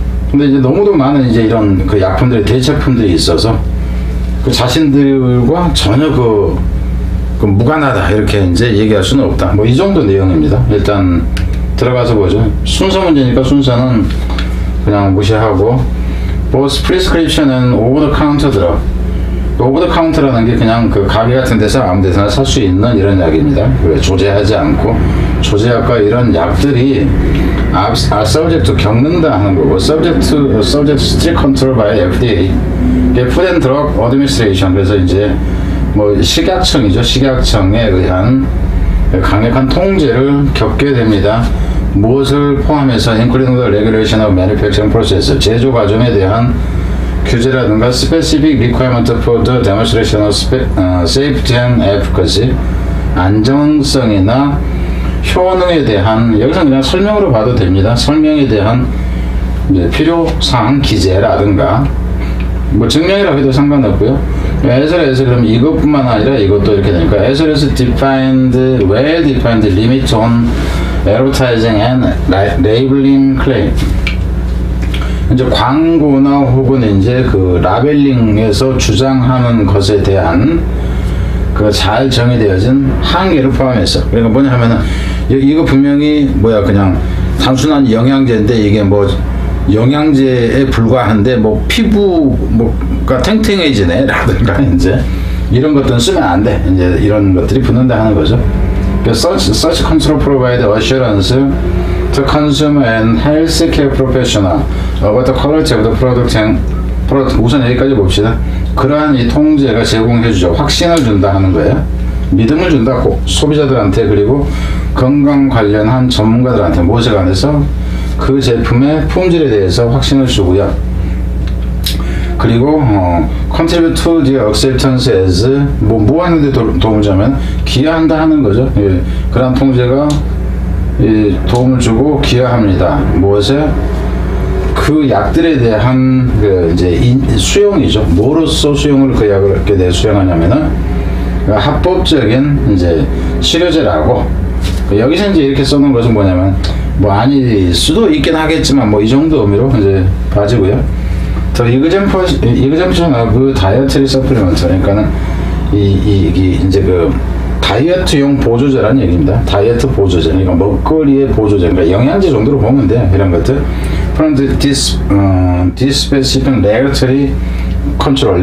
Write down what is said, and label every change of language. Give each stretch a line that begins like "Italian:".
Korean: 근데 이제 너무도 많은 이제 이런 그 약품들의 대체품들이 있어서 그 자신들과 전혀 그 무관하다 이렇게 이제 얘기할 수는 없다. 뭐 이 정도 내용입니다. 일단 들어가서 보죠. 순서 문제니까 순서는 그냥 무시하고, 뭐 프리스크립션은 오버 더 카운터 드럭. 오버 더 카운터라는 게 그냥 그 가게 같은 데서 아무 데서나 살 수 있는 이런 약입니다. 왜 조제하지 않고 조제약과 이런 약들이
English: subject to
Korean: 겪는다 하는 거고,
English: subject strict control by FDA, Food and Drug Administration.
Korean: 그래서 이제 뭐 식약청이죠. 식약청에 의한 강력한 통제를 겪게 됩니다. 무엇을 포함해서
English: including the regulation of manufacturing process,
Korean: 제조 과정에 대한 규제라든가
English: specific requirement for the demonstration of safety and efficacy,
Korean: 안정성이나 효능에 대한, 여기서 그냥 설명으로 봐도 됩니다. 설명에 대한 이제 필요사항 기재라든가 뭐 증명이라고 해도 상관없고요.
English: SLS
Korean: 그럼 이것뿐만 아니라 이것도 이렇게 되니까
English: SLS defined, well defined limit on advertising and labeling claim.
Korean: 이제 광고나 혹은 이제 그 라벨링에서 주장하는 것에 대한 그 잘 정의되어진 한계를 포함해서, 그러니까 뭐냐 하면은 이거 분명히 뭐야 그냥 단순한 영양제인데 이게 뭐 영양제에 불과한데 뭐 피부 뭐가 탱탱해지네 라든가 이제 이런 것들은 쓰면 안 돼, 이제 이런 것들이 붙는다 하는 거죠. 그러니까
English: such control provide assurance to consumer and healthcare professional about the quality of the product and product.
Korean: 우선 여기까지 봅시다. 그러한 이 통제가 제공해 주죠. 확신을 준다 하는 거예요. 믿음을 준다고 소비자들한테, 그리고 건강 관련한 전문가들한테, 무엇에 관해서 그 제품의 품질에 대해서 확신을 주고요. 그리고
English: contribute to the acceptance as
Korean: 뭐 하는데 도움을 주면 기여한다 하는 거죠. 예, 그러한 통제가 예, 도움을 주고 기여합니다. 무엇에? 그 약들에 대한 그 이제 수용이죠. 뭐로써 수용을 그 약을 이렇게 내 수용하냐면은 합법적인 이제 치료제라고. 여기서 이제 이렇게 써놓은 것은 뭐냐면 뭐 아닐 수도 있긴 하겠지만 뭐 이 정도 의미로 이제 봐지고요.
English: The exemption of dietary supplement.
Korean: 그러니까는 이 이제 그 다이어트용 보조제라는 얘기입니다. 다이어트 보조제. 그러니까 먹거리의 보조제. 그러니까 영양제 정도로 보면 돼. 이런 것들.
English: From this specific regulatory control.